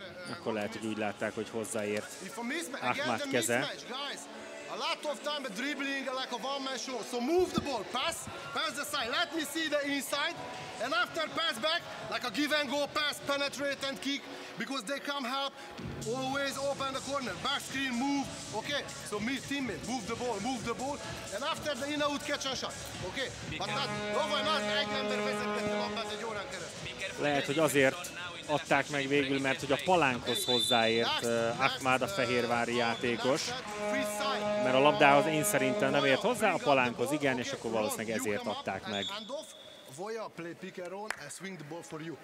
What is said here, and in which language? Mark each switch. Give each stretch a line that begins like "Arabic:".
Hungarian: Akkor lehet, hogy úgy látták, hogy hozzáért Ahmad keze.
English: A lot of time a dribbling like a one man show. So move the ball, pass the side. Let me see the inside. And after pass back, like a give and go pass, penetrate and kick. Because they come help, always open the corner. Back screen, move, okay? So me teammate, move the ball. And after the in-out catch and shot, okay? But not, over not,
Hungarian: egy ember vezetett a labdát egy órán keresztül. Lehet, hogy azért adták meg végül, mert hogy a palánkhoz hozzáért Ahmad, a fehérvári játékos. Mert a labdához én szerintem nem ért hozzá, a palánkhoz igen, és akkor valószínűleg ezért adták meg.
English: Voya, play pick and roll and swing the ball for you.